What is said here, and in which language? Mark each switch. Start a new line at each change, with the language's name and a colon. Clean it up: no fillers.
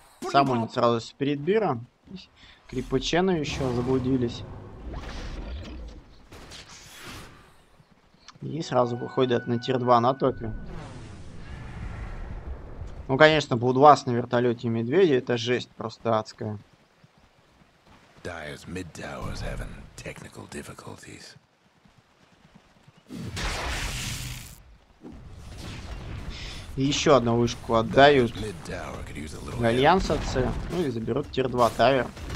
Russian: Сам он сразу перед Бира. Крипы Чена еще заблудились. И сразу выходят на тир 2 на топе. Ну, конечно, Блудвас на вертолете и медведи, это жесть просто адская.
English: Dire's mid towers having technical difficulties.
Russian: Еще одну вышку отдают альянсовцы. Ну и заберут тир 2 тавер.